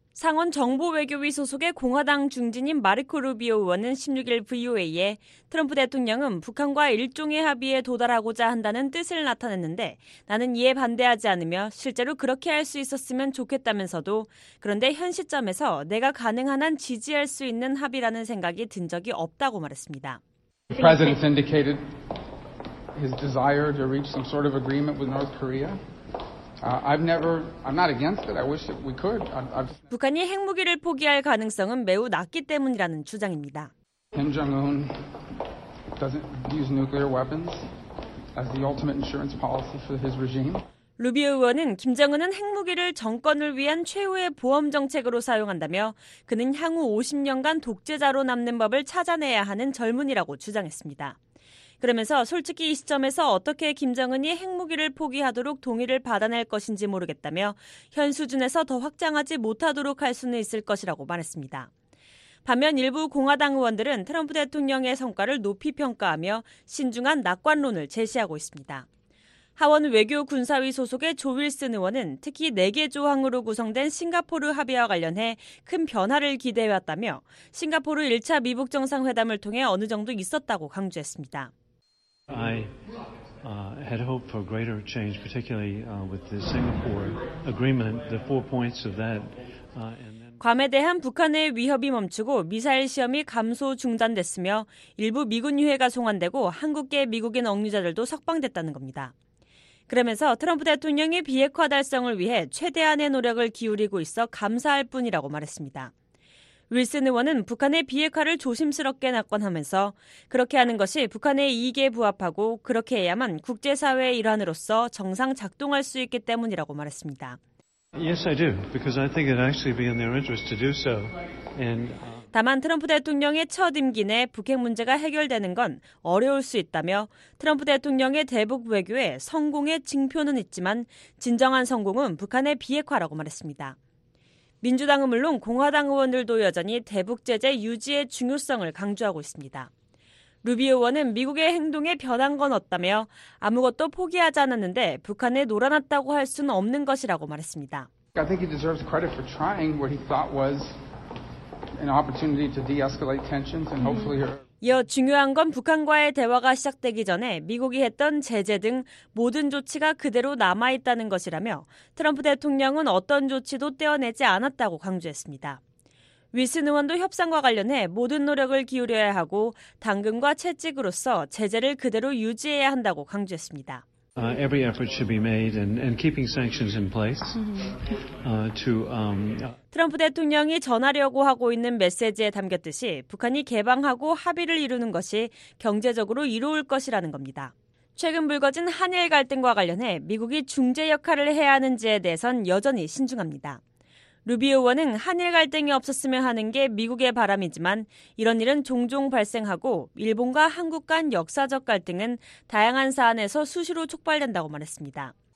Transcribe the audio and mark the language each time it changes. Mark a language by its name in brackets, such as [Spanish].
[Korean] 상원 정보외교위 소속의 공화당 중진인 마르코 루비오 의원은 16일 VOA에 트럼프 대통령은 북한과 일종의 합의에 도달하고자 한다는 뜻을 나타냈는데 나는 이에 반대하지 않으며 실제로 그렇게 할 수 있었으면 좋겠다면서도 그런데 현 시점에서 내가 가능한 한 지지할 수 있는 합의라는 생각이 든 적이 없다고 말했습니다. [English] The president indicated his desire to reach some sort of agreement with North Korea. I'm not against it. I wish we could. I've... [Korean] 북한이 핵무기를 포기할 가능성은 매우 낮기 때문이라는 주장입니다. [English] Kim Jong-un doesn't use nuclear weapons as the ultimate insurance policy for his regime. [Korean] 루비오 의원은 김정은은 핵무기를 정권을 위한 최후의 보험 정책으로 사용한다며 그는 향후 50년간 독재자로 남는 법을 찾아내야 하는 젊은이라고 주장했습니다. 그러면서 솔직히 이 시점에서 어떻게 김정은이 핵무기를 포기하도록 동의를 받아낼 것인지 모르겠다며 현 수준에서 더 확장하지 못하도록 할 수는 있을 것이라고 말했습니다. 반면 일부 공화당 의원들은 트럼프 대통령의 성과를 높이 평가하며 신중한 낙관론을 제시하고 있습니다. 하원 외교군사위 소속의 조 윌슨 의원은 특히 4개 조항으로 구성된 싱가포르 합의와 관련해 큰 변화를 기대해왔다며 싱가포르 1차 미북 정상회담을 통해 어느 정도 있었다고 강조했습니다. [English] I had hope for greater change, particularly with the Singapore agreement, the four points of that. [Korean] 괌에 대한 북한의 위협이 멈추고 미사일 시험이 감소 중단됐으며 일부 미군 유해가 송환되고 한국계 미국인 억류자들도 석방됐다는 겁니다. 그러면서 트럼프 대통령이 비핵화 달성을 위해 최대한의 노력을 기울이고 있어 감사할 뿐이라고 말했습니다. 윌슨 의원은 북한의 비핵화를 조심스럽게 낙관하면서 그렇게 하는 것이 북한의 이익에 부합하고 그렇게 해야만 국제사회의 일환으로서 정상 작동할 수 있기 때문이라고 말했습니다. [English] Yes, I do, because I think it'd actually be in their interest to do so. [Korean] 다만 트럼프 대통령의 첫 임기 내 북핵 문제가 해결되는 건 어려울 수 있다며 트럼프 대통령의 대북 외교에 성공의 징표는 있지만 진정한 성공은 북한의 비핵화라고 말했습니다. 민주당은 물론 공화당 의원들도 여전히 대북 제재 유지의 중요성을 강조하고 있습니다. 루비오 의원은 미국의 행동에 변한 건 없다며 아무것도 포기하지 않았는데 북한에 놀아났다고 할 수는 없는 것이라고 말했습니다. [English] I think he deserves credit for trying what he thought was an opportunity to de-escalate tensions and hopefully. [Korean] 이어 중요한 건 북한과의 대화가 시작되기 전에 미국이 했던 제재 등 모든 조치가 그대로 남아있다는 것이라며 트럼프 대통령은 어떤 조치도 떼어내지 않았다고 강조했습니다. 윌슨 의원도 협상과 관련해 모든 노력을 기울여야 하고 당근과 채찍으로서 제재를 그대로 유지해야 한다고 강조했습니다. [English] Every effort should be made and keeping sanctions in place to [Korean] 트럼프 대통령이 전하려고 하고 있는 메시지에 담겼듯이 북한이 개방하고 합의를 이루는 것이 경제적으로 이로울 것이라는 겁니다. 최근 불거진 한일 갈등과 관련해 미국이 중재 역할을 해야 하는지에 대해선 여전히 신중합니다. 루비오 의원은 한일 갈등이 없었으면 하는 게 미국의 바람이지만 이런 일은 종종 발생하고 일본과 한국 간 역사적 갈등은 다양한 사안에서 수시로 촉발된다고 말했습니다.